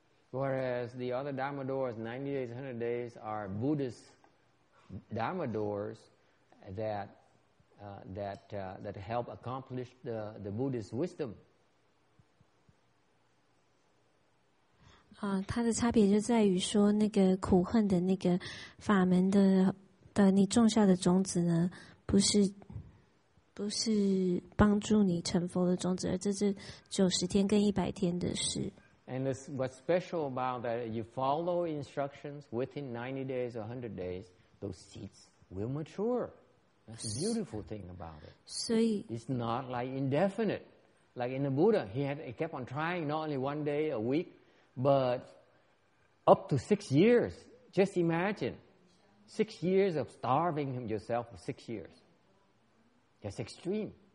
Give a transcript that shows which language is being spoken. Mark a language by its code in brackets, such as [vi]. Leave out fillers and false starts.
[en] Whereas the other Dharma doors, 90 days, 100 days, are Buddhist Dharma doors that help accomplish the Buddhist wisdom. [zh] 它的差别就在于说，那个苦恨的那个法门的你种下的种子呢，不是帮助你成佛的种子，而这是90天跟100天的事。 [en] And this, what's special about that? You follow instructions within 90 days or 100 days, those seeds will mature. That's a beautiful thing about it. [zh] 所以 [en] it's not like indefinite, like in the Buddha, he kept on trying not only one day a week. But up to 6 years, just imagine 6 years of starving yourself for 6 years. That's extreme.